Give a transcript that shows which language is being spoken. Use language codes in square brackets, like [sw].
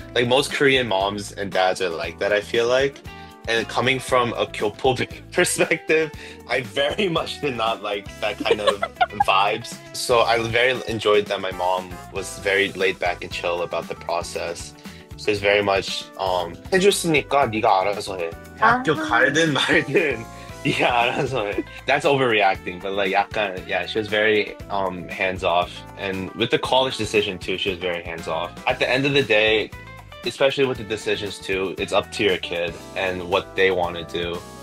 [en] Like most Korean moms and dads are like that, I feel like. And coming from a 교포 perspective, I very much did not like that kind of vibes. So I very enjoyed that my mom was very laid back and chill about the process. So it's very much, [ko] 해줬으니까 네가 알아서 해. 학교 가든 말든. [en] Yeah, that's overreacting, but like, 약간, yeah, she was very hands-off. And with the college decision too, she was very hands-off. At the end of the day, especially with the decisions too, it's up to your kid and what they want to do.